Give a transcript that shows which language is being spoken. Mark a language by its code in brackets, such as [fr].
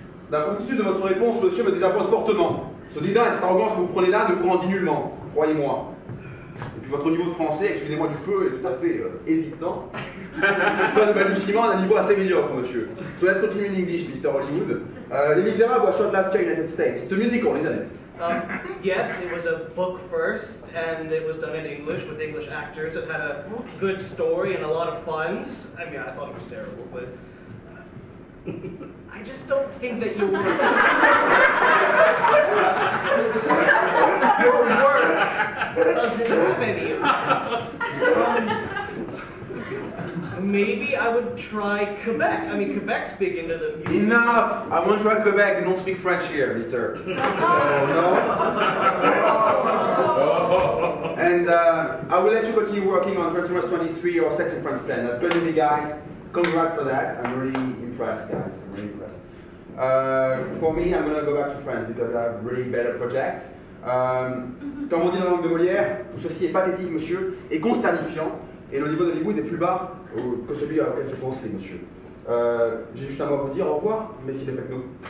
[fr] La promptitude de votre réponse, monsieur, me désappointe fortement. Ce dédain et cette arrogance que vous prenez là ne vous rendit nullement, croyez-moi. Et puis votre niveau de français, excusez-moi du peu, est tout à fait hésitant. Donne balbutiement à un niveau assez médiocre, monsieur. [en] So let's continue in English, Mr. Hollywood. Les Misérables were shot last year in the United States. It's a musical, isn't it? Yes, it was a book first, and it was done in English with English actors. It had a good story and a lot of funds. I mean, I thought it was terrible, but... I just don't think that you were... Your work doesn't have any of that. Maybe I would try Quebec. I mean, Quebec speak into the music. Enough! I won't try Quebec. They don't speak French here, mister. No? And I will let you continue working on Transformers 23 or Sex in France 10. That's great to me, guys. Congrats for that. I'm really impressed, guys. I'm really impressed. For me, I'm gonna go back to France because I have really better projects. [fr] Comme on dit dans la langue de Molière, tout ceci est pathétique, monsieur, et consternifiant. Et le niveau de Hollywood est plus bas que celui à lequel je pensais, monsieur. J'ai juste un mot à vous dire, au revoir, messieurs les technos.